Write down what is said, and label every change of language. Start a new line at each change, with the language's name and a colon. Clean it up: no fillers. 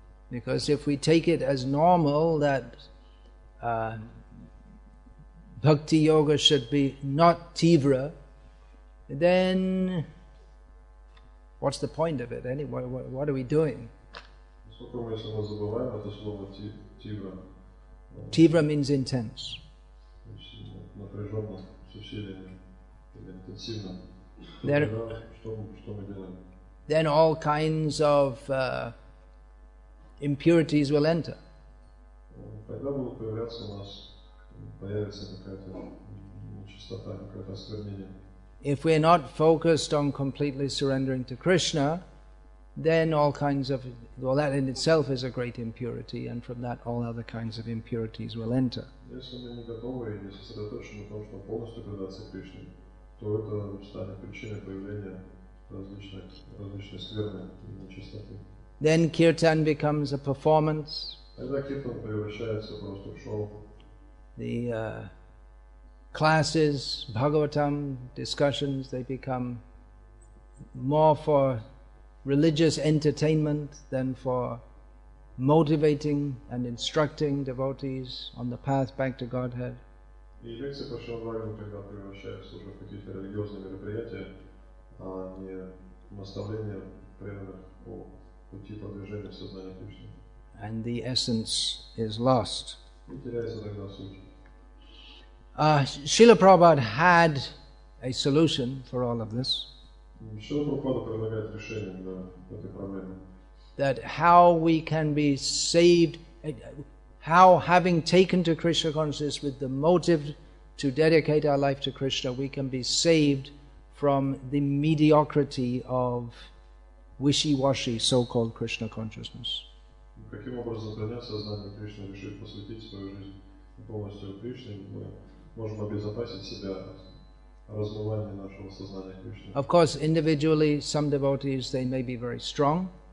English: Because if we take it as normal that bhakti yoga should be not tivra, then what's the point of it anyway? What are we doing? So
Russian: Сколько мы, если мы забываем это слово тивра?
English: Тивра means intense.
Russian: Напряженно, с усилиями, интенсивно. Что мы делаем?
English: Then all kinds of impurities will enter.
Russian: Тогда будут появляться у нас, появится какая-то нечистота, какое-то осквернение.
English: If we're not focused on completely surrendering to Krishna, then all kinds of, well, that in itself is a great impurity, and from that all other kinds of impurities will enter.
Russian: Если мы не готовы и не сосредоточены на том, чтобы полностью предаться Кришне, то это станет причиной появления различной скверны и нечистоты.
English: Then kirtan becomes a performance.
Russian: Тогда киртан превращается просто в шоу.
English: The classes, Bhagavatam, discussions, they become more for religious entertainment than for motivating and instructing devotees on the path back to Godhead.
Russian: И лекции по Шрамадхагаватам тогда превращаются уже в какие-то религиозные мероприятия, а не наставления преданных по пути продвижения в сознание Кришны.
English: And the essence is lost.
Russian: И теряется тогда суть.
English: Srila Prabhupada had a solution for all of this.
Russian: Srila Prabhupada предлагает решение для этой проблемы.
English: That how we can be saved, how having taken to Krishna consciousness with the motive to dedicate our life to Krishna, we can be saved from the mediocrity of wishy-washy so-called Krishna consciousness.
Russian: Каким образом принять сознание Кришны, решив посвятить свою жизнь полностью Кришне, можем обезопасить себя от размывания нашего сознания Кришны.
English: Of course, individually, some devotees, they may be very strong.